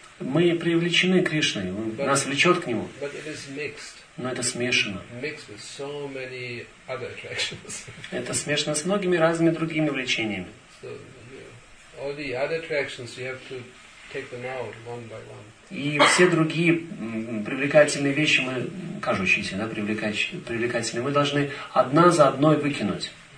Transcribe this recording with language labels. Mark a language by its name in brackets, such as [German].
[Russian] Мы привлечены к Кришне, нас влечет к Нему. [English] But it is mixed. [Russian] Но это смешано. [English] Mixed with so many other attractions. [Russian] Это смешано с многими разными другими влечениями. [English] So, all the other attractions, you have to take them out one by one. [Russian] И все другие привлекательные вещи, мы кажущиеся, да, привлекательные, мы должны одна за одной выкинуть.